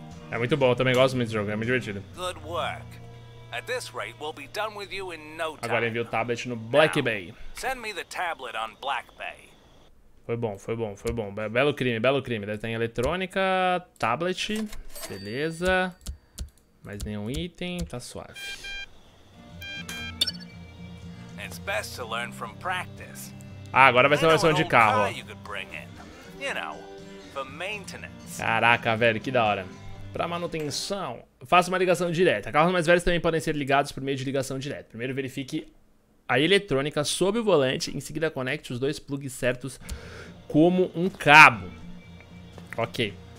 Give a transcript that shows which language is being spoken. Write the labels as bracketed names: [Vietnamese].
[Portuguese] É muito bom, eu também gosto muito desse jogo, é muito divertido. [English] Good work. At this rate, we'll be done with you in no time. [Portuguese] Agora envio o tablet no Black Bay. [English] Send me the tablet on Black Bay. [Portuguese] Foi bom, foi bom, foi bom. Belo crime, belo crime. Deve ter em eletrônica, tablet, beleza. Mais nenhum item, tá suave. [English] It's best to learn from practice. [Portuguese] Ah, agora vai ser uma versão de carro. [English] You could bring in, you know, for maintenance. [Portuguese] Caraca, velho, que da hora. Para manutenção, faça uma ligação direta. Carros mais velhos também podem ser ligados por meio de ligação direta. Primeiro verifique a eletrônica sob o volante, em seguida conecte os dois plugs certos como um cabo. Ok.